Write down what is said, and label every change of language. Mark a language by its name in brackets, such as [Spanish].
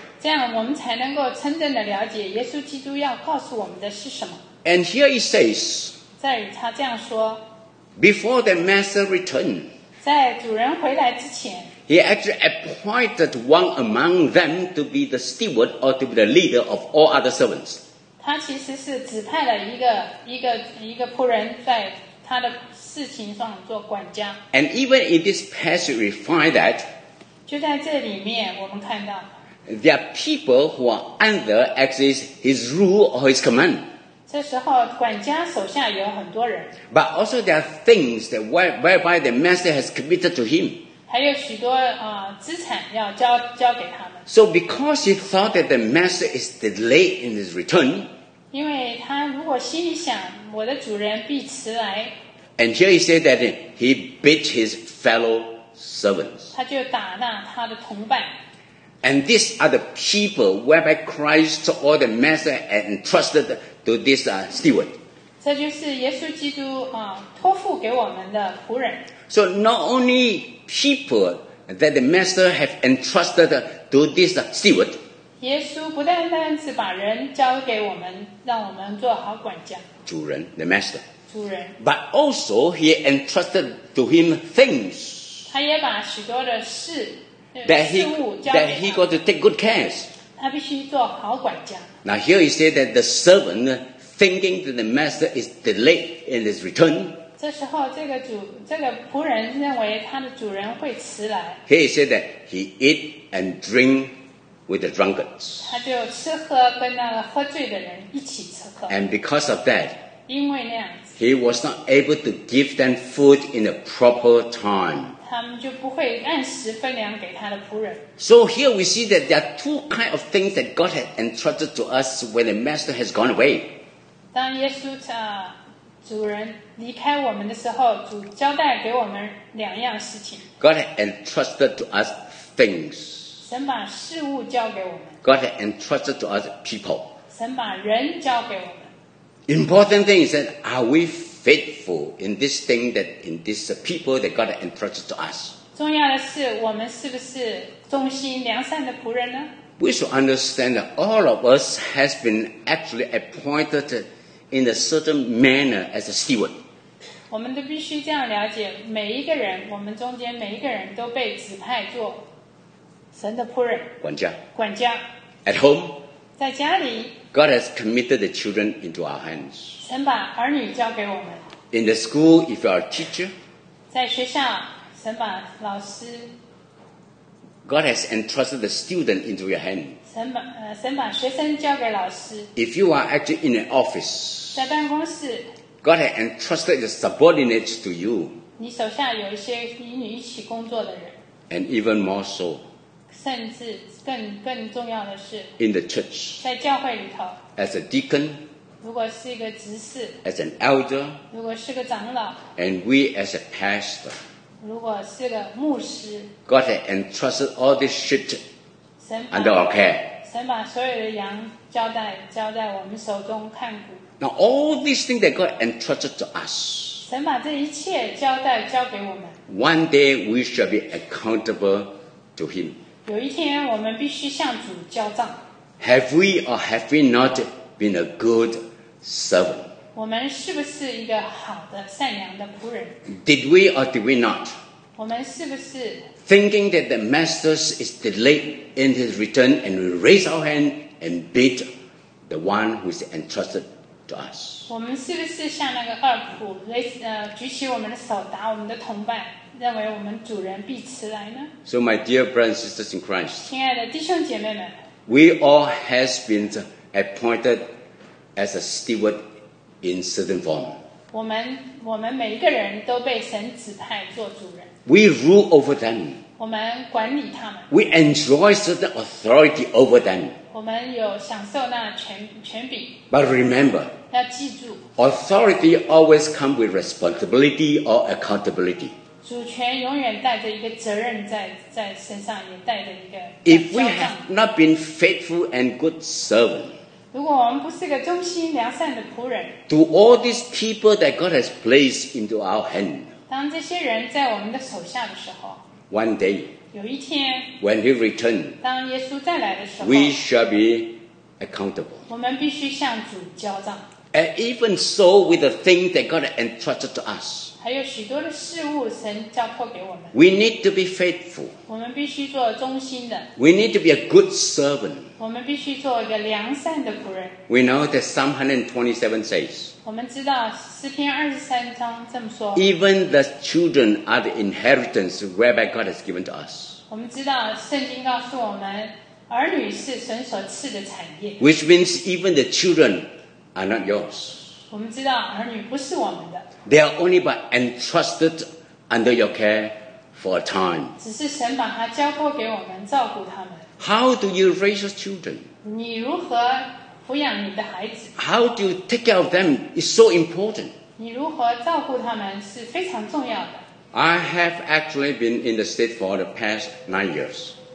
[Chinese] 这样我们才能够真正的了解耶稣基督要告诉我们的是什么。 [English] And here he says. [Chinese] 在于他这样说。 [English] Before the master returns. [Chinese] 在主人回来之前 [English] He actually appointed one among them to be the steward or to be the leader of all other servants. [Chinese] 他其实是指派了一个仆人在他的事情上做管家。 [English] And even in this passage we find that [Chinese] 就在这里面我们看到 [English] There are people who are under actually his rule or his command. [Chinese] 这时候管家手下有很多人 [English] But also there are things that whereby the master has committed to him [Chinese] 还有许多、资产要 交给他们 [English] So because he thought that the master is delayed in his return [Chinese] 因为他如果心里想我的主人必迟来 [English] And here he said that he beat his fellow servants [Chinese] 他就打那他的同伴 [English] And these are the people whereby Christ took all the master and entrusted to this steward. [Chinese] 这就是耶稣基督托付给我们的仆人。 [English] So not only people that the master have entrusted to this steward. [Chinese] 耶稣不单单是把人交给我们，让我们做好管家。主人 [English] ，the master. [Chinese] 主人。 [English] But also he entrusted to him things. [Chinese] 他也把许多的事。 [English] That he got to take good care. [Chinese] 他必须做好管家。 [English] Now here he said that the servant thinking that the master is delayed in his return. [Chinese] 这时候这个仆人认为他的主人会迟来。 [English] Here he said that he eat and drink with the drunkards. [Chinese] 他就吃喝跟那个喝醉的人一起吃喝。 [English] And because of that, [Chinese] 因为那样子 [English] he was not able to give them food in a proper time. [Chinese] 他们就不会按时分粮给他的仆人。 [English] So here we see that there are two kinds of things that God had entrusted to us when the master has gone away. [Chinese] 当耶稣主人离开我们的时候，主交代给我们两样事情。 [English] God had entrusted to us things. [Chinese] 神把事物交给我们。 [English] God had entrusted to us people. [Chinese] 神把人交给我们。 [English] Important thing is that are we faithful in this thing that in this people that God entrusted to us. [Chinese] 重要的是我们是不是忠心良善的仆人呢? [English] We should understand that all of us has been actually appointed in a certain manner as a steward. [Chinese] 我们都必须这样了解每一个人我们中间每一个人都被指派做神的仆人管家管家 [English] At home, [Chinese] 在家里 [English] God has committed the children into our hands. [Chinese] 神把儿女交给我们。 [English] In the school, if you are a teacher, [Chinese] 在学校，神把老师。 [English] God has entrusted the student into your hand. [Chinese] 神把学生交给老师。 [English] If you are actually in an office, [Chinese] 在办公室。 [English] God has entrusted the subordinates to you. [Chinese] 你手下有一些与你一起工作的人。 [English] And even more so. [Chinese] 甚至更重要的是。 [English] In the church, [Chinese] 在教会里头。 [English] As a deacon. [Chinese] 如果是一个执事 [English] as an elder, [Chinese] 如果是个长老 [English] and we as a pastor, [Chinese] 如果是个牧师 [English] God has entrusted all this sheep under our care. [Chinese] 神把所有的羊交代我们手中看顾 [English] Now all these things that God entrusted to us, [Chinese] 神把这一切交给我们 [English] One day we shall be accountable to him. [Chinese] 有一天我们必须向主交账 [English] Have we or have we not? Been a good servant. [Chinese] 我们是不是一个好的、善良的仆人 [English] ？Did we or did we not? [Chinese] 我们是不是 [English] thinking that the master is delayed in his return, and we raise our hand and beat the one who is entrusted to us? [Chinese] 我们是不是像那个二仆，举起我们的手打我们的同伴，认为我们主人必迟来呢 [English] ？So, my dear brothers and sisters in Christ, [Chinese] 亲爱的弟兄姐妹们 [English] ，we all has been. Appointed as a steward in certain form. [Chinese] 我们每一个人都被神指派做主人。 [English] We rule over them. [Chinese] 我们管理他们。 [English] We enjoy certain authority over them. [Chinese] 我们有享受那权柄。 [English] But remember, [Chinese] 要记住 [English] authority always comes with responsibility or accountability. [Chinese] 主权永远带着一个责任 在身上，也带着一个。 [English] If we have not been faithful and good servant, [Chinese] 如果我们不是个忠心良善的仆人 [English] ，to all these people that God has placed into our hand, [Chinese] 当这些人在我们的手下的时候 [English] ，one day, [Chinese] 有一天 [English] ，when he returns, [Chinese] 当耶稣再来的时候 [English] ，we shall be accountable. [Chinese] 我们必须向主交账。 [English] And even so, with the things that God has entrusted to us. [Chinese] 还有许多的事物神交托给我们。 [English] We need to be faithful. [Chinese] 我们必须做忠心的。 [English] We need to be a good servant. [Chinese] 我们必须做一个良善的仆人。 [English] We know that Psalm 127 says. [Chinese] 我们知道诗篇二十三章这么说。 [English] Even the children are the inheritance whereby God has given to us. [Chinese] 我们知道圣经告诉我们，儿女是神所赐的产业。 [English] Which means even the children are not yours. [Chinese] 我们知道儿女不是我们的。 [English] They are only but entrusted under your care for a time. [Chinese] 只是神把他交托给我们，照顾他们。 [English] How do you raise your children? [Chinese] 你如何抚养你的孩子？ [English] How do you take care of them? It's so important. [Chinese] 你如何照顾他们是非常重要的。 [English] I have actually been in the state for the past 9 years.